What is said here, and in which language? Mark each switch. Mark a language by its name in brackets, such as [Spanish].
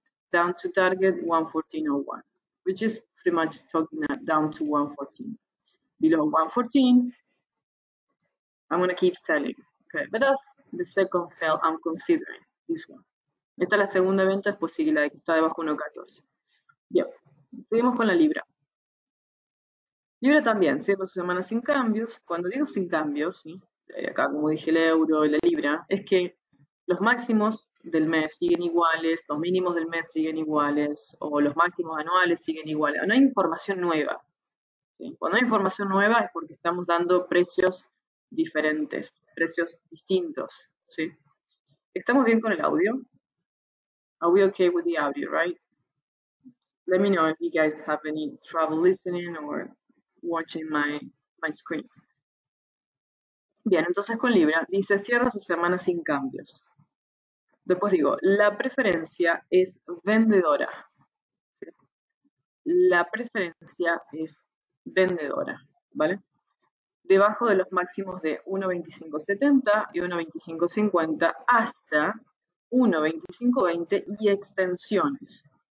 [English] Down to target 1.14.01, which is pretty much talking that down to 1.14. Below 1.14, I'm going to keep selling. Okay, but that's the second sell I'm considering, this one. [Spanish] Esta es la segunda venta, después sigue la que está debajo de 1.14. Bien, seguimos con la libra. Libra también, cierra su semana sin cambios. Cuando digo sin cambios, ¿sí? Acá como dije el euro y la libra, es que los máximos del mes siguen iguales, los mínimos del mes siguen iguales, o los máximos anuales siguen iguales. No hay información nueva. Cuando hay información nueva es porque estamos dando precios diferentes, precios distintos, ¿sí? ¿Estamos bien con el audio? [English] Are we okay with the audio, right? Let me know if you guys have any trouble listening or watching my screen. [Spanish] Bien, entonces con Libra dice cierra su semana sin cambios. Después digo, la preferencia es vendedora. La preferencia es vendedora, ¿vale? Debajo de los máximos de 1.25.70 y 1.25.50 hasta 1.25.20 y extensiones.